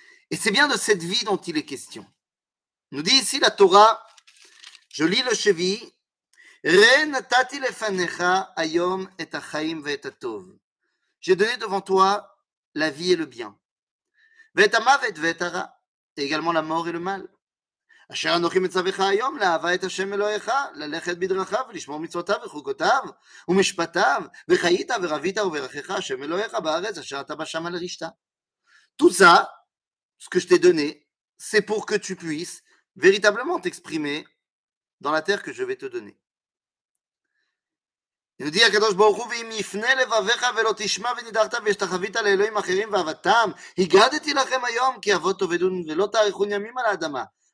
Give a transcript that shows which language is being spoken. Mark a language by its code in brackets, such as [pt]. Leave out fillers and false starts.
[fr] Et c'est bien de cette vie dont il est question. Nous dit ici la Torah, je lis le Shevi, « [he] Re natati lefanecha ayom et achaim v'et atov ». [fr] J'ai donné devant toi la vie et le bien. « [he] V'et amavet v'et ara [fr] » et également la mort et le mal. [he] אשר אנוכי מצווך היום לאהבה את השם אלוהיך, ללכת בדרכיו ולשמור מצוותיו וחוקותיו ומשפטיו וחיית ורבית וברכך השם אלוהיך בארץ אשר אתה בשם על רשתה. [fr] Tout ça, ce que je t'ai donné, c'est pour que tu puisses véritablement t'exprimer dans la terre que je vais te donner. Il nous dit [he] הקדוש ברוך הוא ואם יפנה לבביך ולא תשמע ונדרת ושתחווית לאלוהים אחרים ואהבתם הגדתי לכם היום כי אבות תאבדון ולא תאריכון ימים על האדמה.